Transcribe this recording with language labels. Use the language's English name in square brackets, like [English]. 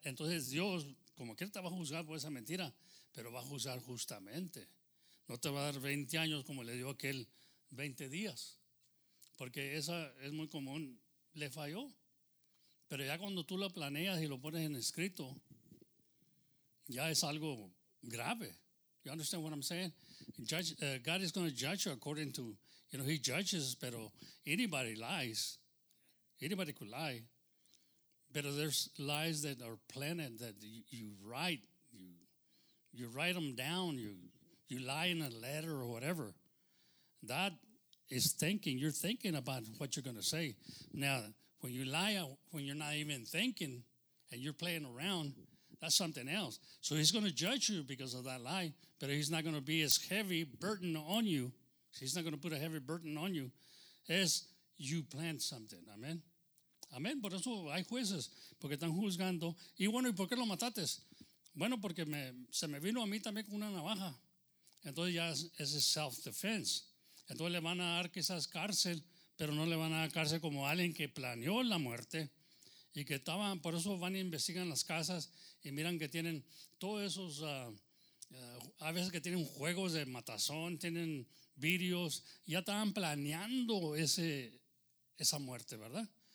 [Spanish] Entonces Dios, como que te va a juzgar por esa mentira, pero va a juzgar justamente. No te va a dar 20 años como le dio aquel 20 días. Porque esa es muy común, le falló. Pero ya cuando tú la planeas y lo pones en escrito, ya es algo grave. [English] You understand what I'm saying? God is going to judge you according to, you know, he judges, pero anybody lies. Anybody could lie. But there's lies that are planned that you write. You write them down. You lie in a letter or whatever. That is thinking. You're thinking about what you're going to say. Now, when you lie, when you're not even thinking and you're playing around, that's something else. So he's going to judge you because of that lie, but he's not going to be as heavy burden on you. He's not going to put a heavy burden on you as you plan something. Amen. Amen. [Spanish] Por eso hay jueces, porque están juzgando. Y bueno, ¿y por qué lo mataste? Bueno, porque se me vino a mí también con una navaja. Entonces ya es self-defense. Entonces le van a dar quizás cárcel, pero no le van a dar cárcel como alguien que planeó la muerte y que estaban, por eso van e investigan las casas y miran que tienen todos esos, a veces que tienen juegos de matazón, tienen vídeos, ya estaban planeando esa muerte, ¿verdad?